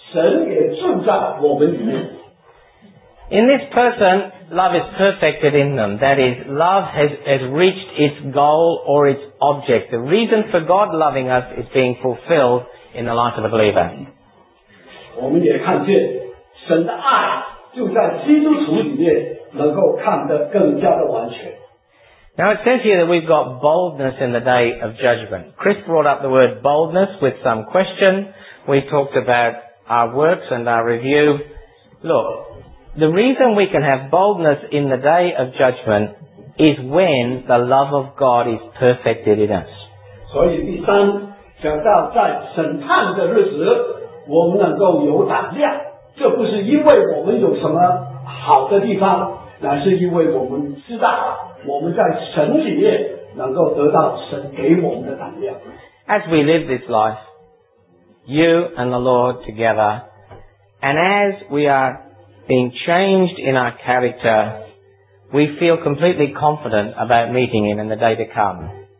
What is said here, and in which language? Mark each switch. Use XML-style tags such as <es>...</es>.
<zh>所以十六节讲得非常清楚,这就是最重要的真理。我们基督徒是住在神里面,神也住在我们里面。</zh> <en>In this person, love is perfected in them. That is, love has reached its goal or its object. The reason for God loving us is being fulfilled in the life of a believer. Now it says here that we've got boldness in the day of judgment. Chris brought up the word boldness with some question. We talked about our works and our review. Look, the reason we can have boldness in the day of judgment is when the love of God is perfected in us.</en> <zh>所以第三讲到在审判的日子，我们能够有胆量，这不是因为我们有什么好的地方，乃是因为我们知道我们在神里面能够得到神给我们的胆量。As</zh> <en>we live this life, you and the Lord together, and as we are being changed in our character, we feel completely confident about meeting Him in the day to come.</en>